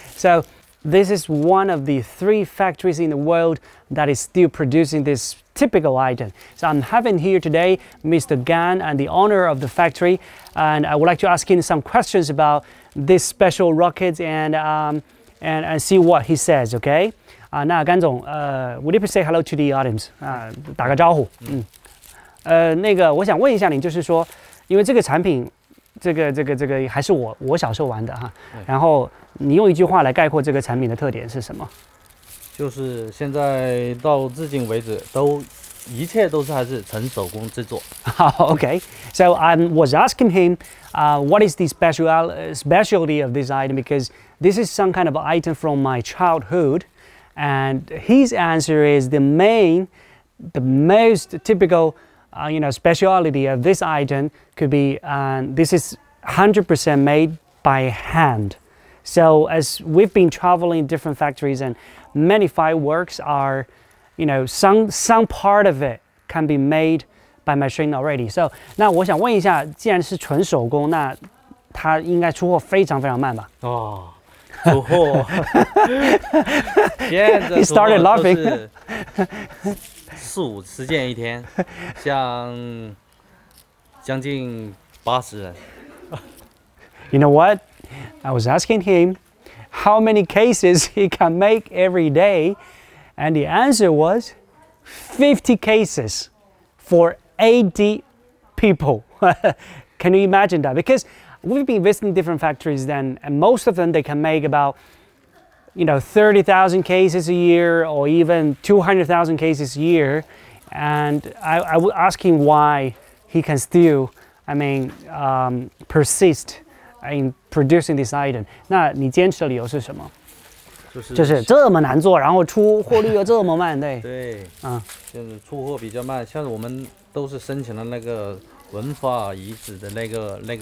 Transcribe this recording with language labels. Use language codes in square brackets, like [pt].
[en] So this is one of the three factories in the world that is still producing this typical item. So I'm having here today Mr. Gan and the owner of the factory, and I would like to ask him some questions about this special rocket and see what he says, okay? Now, Gan Zong, would you please say hello to the audience? [zh] 打个招呼。那个我想问一下您，就是说因为这个产品这个还是我小时候玩的哈，然后你用一句话来概括这个产品的特点是什么？就是现在到至今为止都一切都是还是纯手工制作。 [en] Okay, so I was asking him, what is the specialty of this item? Because this is some kind of item from my childhood, and his answer is the most typical. You know, speciality of this item could be, this is 100% made by hand. So as we've been traveling different factories and many fireworks are, you know, some part of it can be made by machine already. [zh] So, 那我想问一下，既然是纯手工，那它应该出货非常非常慢吧？哦，出货， [en] He started laughing. [zh] 四五十件一天，像将近八十人。 [en] You know what? I was asking him how many cases he can make every day, and the answer was 50 cases for 80 people. Can you imagine that? Because we've been visiting different factories, then, and most of them they can make about. You know, 30,000 cases a year, or even 200,000 cases a year, and I would ask him why he can still, persist in producing this item. [zh] 那你坚持的理由是什么？就是这么难做，然后出货率又这么慢，对。对。就是出货比较慢，像我们都是申请了那个文化遗址的那个。